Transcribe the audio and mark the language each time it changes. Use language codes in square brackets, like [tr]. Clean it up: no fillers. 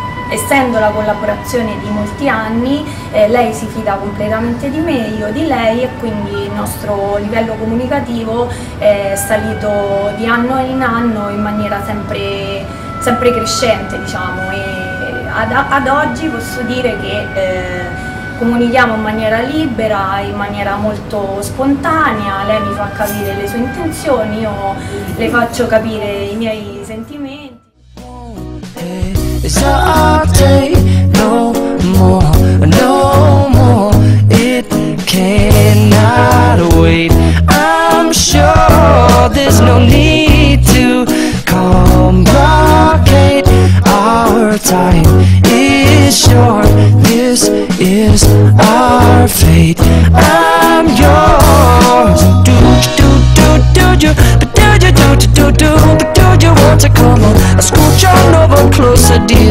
[it] essendo la collaborazione di molti anni, lei si fida completamente di me, io di lei, e quindi il nostro livello comunicativo è salito di anno in anno in maniera sempre crescente, diciamo, e ad oggi posso dire che comunichiamo in maniera libera, in maniera molto spontanea, lei mi fa capire le sue intenzioni, io le faccio capire i miei sentimenti. [en] It's not our day, no more, no more. It cannot wait. I'm sure there's no need to complicate. Our time is short, this is our fate. I'm yours. Do do do do do do do do do do do do do do do do do do do do do do do do do do do do do do do do do do do do do do do do do do do do do do do.